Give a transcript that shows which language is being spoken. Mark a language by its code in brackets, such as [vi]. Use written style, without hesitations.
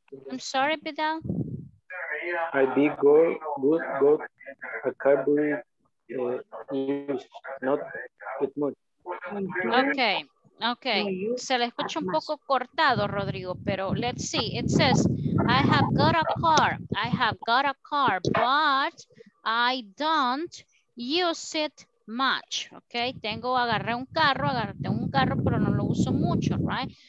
[en] I'm sorry, Vidal. I be good for Carbury. Not good much. Okay. [es] Se le escucha un poco cortado, Rodrigo, pero [en] let's see. It says, I have got a car. I have got a car, but I don't use it much, okay? [es] Tengo, agarré un carro, pero no lo uso mucho, right?